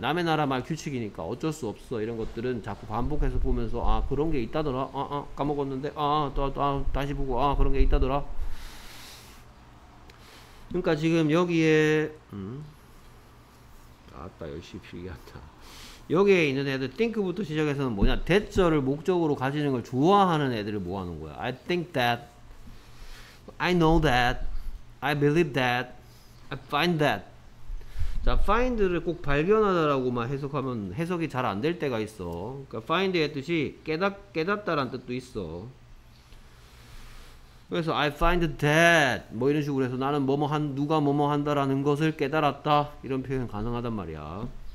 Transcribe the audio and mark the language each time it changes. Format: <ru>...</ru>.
<ko>남의 나라 말 규칙이니까 어쩔 수 없어. 이런 것들은 자꾸 반복해서 보면서 아 그런 게 있다더라 아 까먹었는데 다시 보고 아 그런 게 있다더라. 그러니까 지금 여기에 아따 열심히 필기한다. 여기에 있는 애들 think부터 시작해서는 뭐냐 대절을 목적으로 가지는 걸 좋아하는 애들을 모아놓은 거야.</ko> <en>I think that I know that I believe that I find that.</en> <ko>자, find를 꼭 발견하다라고만 해석하면 해석이 잘 안 될 때가 있어. 그러니까 find의 뜻이 깨닫다라는 뜻도 있어. 그래서</ko> <en>I find that</en> <ko>뭐 이런 식으로 해서 나는 누가 뭐뭐 한다라는 것을 깨달았다 이런 표현 가능하단 말이야.</ko>